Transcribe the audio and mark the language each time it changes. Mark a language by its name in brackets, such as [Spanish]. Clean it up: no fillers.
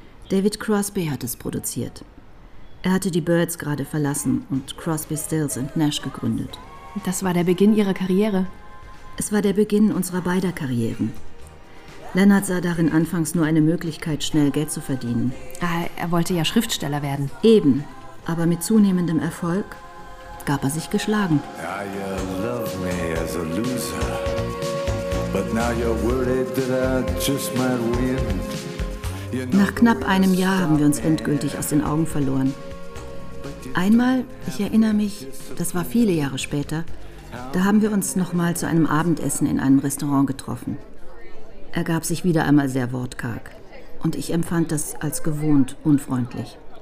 [German] David Crosby hat es produziert. Er hatte die Birds gerade verlassen und Crosby, Stills und Nash gegründet. Das war der Beginn Ihrer Karriere? Es war der Beginn unserer beider Karrieren. Lennart sah darin anfangs nur eine Möglichkeit, schnell Geld zu verdienen. Er wollte ja Schriftsteller werden. Eben. Aber mit zunehmendem Erfolg gab er sich geschlagen. [English] Now you love me as a loser, but now you're worried that I just might win. [German] Nach knapp einem Jahr haben wir uns endgültig aus den Augen verloren. Einmal, ich erinnere mich, das war viele Jahre später, da haben wir uns nochmal zu einem Abendessen in einem Restaurant getroffen. Er gab sich wieder einmal sehr wortkarg und ich empfand das als gewohnt unfreundlich.